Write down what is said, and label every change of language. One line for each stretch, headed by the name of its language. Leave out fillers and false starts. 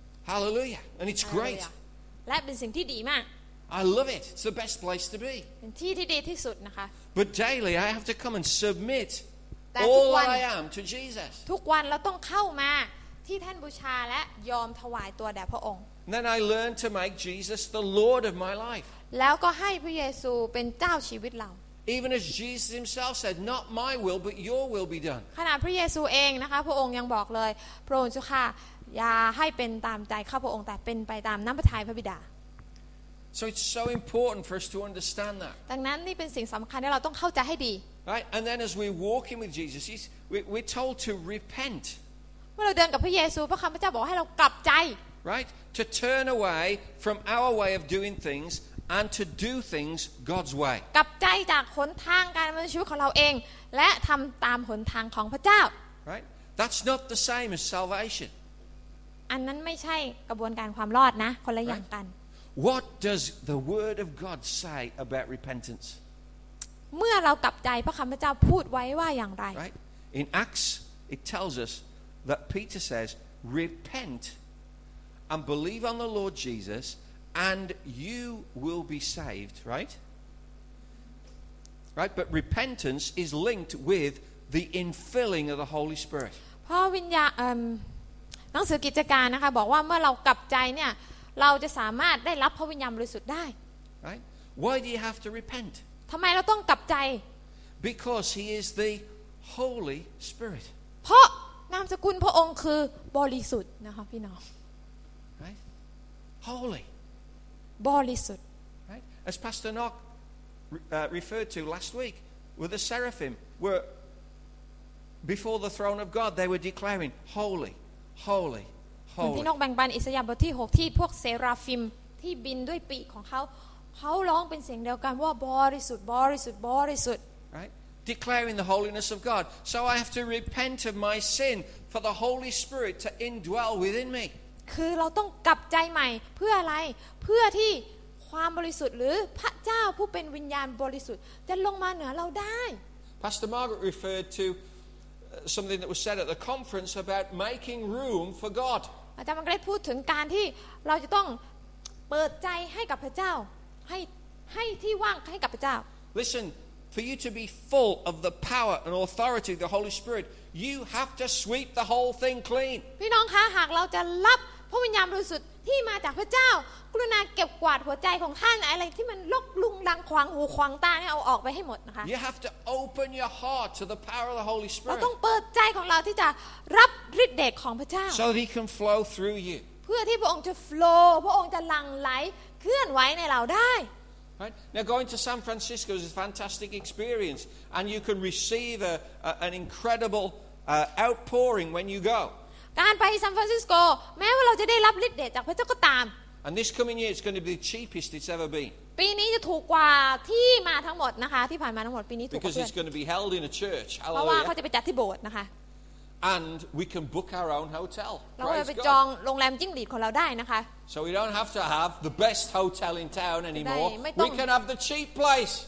English: Hallelujah and it's great
Thai: และเป็นสิ่งที่ดีมาก
English: I love it it's the best place to be
Thai: เป็นที่ที่ดีที่สุดนะคะ
English: But daily I have to come and submit all I am to Jesus
Thai: ทุกวันเราต้องเข้ามาที่ท่านบูชาและยอมถวายตัวแด่พระองค์
English: Then I learned to make Jesus the Lord of my life
Thai: แล้วก็ให้พระเยซูเป็นเจ้าชีวิตเรา
English: Even as Jesus himself said not my will but your will be done
Thai: ขณะพระเยซูเองนะคะพระองค์ยังบอกเลยพระองค์เจ้าค่ะอย่าให้เป็นตามใจข้าพระองค์แต่เป็นไปตามน้ำพระทัยพระบิดา
English: So it's so important for us to understand that
Thai: ดังนั้นนี่เป็นสิ่งสำคัญที่เราต้องเข้าใจให้ดี
English: Right and then as we walk in with Jesus we're told to repent
Thai: เมื่อเราเดินกับพระเยซูพระคำพระเจ้าบอกให้เรากลับใจ
English: Right to turn away from our way of doing things and to do things God's way
Thai: กลับใจจากหนทางการดำเนินชีวิตของเราเองและทำตามหนทางของพระเจ้า
English: Right that's not the same as salvation
Thai: อันนั้นไม่ใช่กระบวนการความรอดนะคนละอย่างกัน
English: What does the word of God say about repentance
Thai: เมื่อเรากลับใจพระคำพระเจ้าพูดไว้ว่าอย่างไร
English: Right in Acts it tells usThat Peter says, "Repent and believe on the Lord Jesus, and you will be saved." Right? Right. But repentance is linked with the infilling of the Holy Spirit.
Thai: เพราะวิญญาณหนังสือกิจการนะคะบอกว่าเมื่อเรากลับใจเนี่ย เราจะสามารถได้รับพระวิญญาณบริสุทธิ์ได้
English: Right? Why do you have to repent?
Thai: ทำไมเราต้องกลับใจ
English: Because he is the Holy Spirit.
Thai: เพราะนามสกุลพระองค์คือบริสุทธิ์นะคะพี่น้อง
English: Right? Holy.
Thai: บริสุทธิ์
English: Right? As Pastor Nock referred to last week with the seraphim were before the throne of God they were declaring holy, holy.
Thai: เหมือนที่นกแบ่งปันอิสยาห์บทที่6ที่พวกเซราฟิมที่บินด้วยปีกของเขาร้องเป็นเสียงเดียวกันว่าบริสุทธิ์บริสุทธิ์บริสุทธิ์
English: right declaring the holiness of God so I have to repent of my sin for the Holy Spirit to indwell within me
Thai: คือเราต้องกลับใจใหม่เพื่ออะไรเพื่อที่ความบริสุทธิ์หรือพระเจ้าผู้เป็นวิญญาณบริสุทธิ์จะลงมาเหนือเราได้
English: Pastor Margaret referred toSomething that was said at the conference about making room for God.
Thai: อาจารย์มังกรพูดถึงการที่เราจะต้องเปิดใจให้กับพระเจ้าให้ที่ว่างให้กับพระเจ้า
English: Listen, for you to be full of the power and authority of the Holy Spirit, you have to sweep the whole thing clean.
Thai: พี่น้องคะหากเราจะรับพระวิญญาณบริสุทธิ์ที่มาจากพระเจ้ากรุณาเก็บกวาดหัวใจของท่านอะไรที่มันลกลุงลังขวางหูขวางตาเนี่ยเอาออกไปให้หมดนะคะ
English: You have to open your heart to the power of the Holy Spirit
Thai: เราต้องเปิดใจของเราที่จะรับฤทธิ์เดชของพระเจ้า
English: So that he can flow through you
Thai: เพื่อที่พระองค์จะ flow พระองค์จะหลั่งไหลเคลื่อนไหวในเราได้
English: Right now going to San Francisco is a fantastic experience and you can receive an incredible outpouring when you go
Thai: การไปซานฟรานซิสโกแม้ว่าเราจะได้รับฤทธิ์เดชจากพระเจ้าก็ตาม
English: And this coming year it's going to be the cheapest it's ever been
Thai: ปีนี้จะถูกกว่าที่มาทั้งหมดนะคะที่ผ่านมาทั้งหมดปีนี้ถูกกว่า
English: Because it's going to be held in a church
Thai: เพราะว่าเขาจะไปจัดที่โบสถ์นะคะ
English: And we can book our own hotel
Thai: เราไปจองโรงแรมจิ้งหรีดของเราได้นะคะ
English: So we don't have to have the best hotel in town anymore We can have the cheap place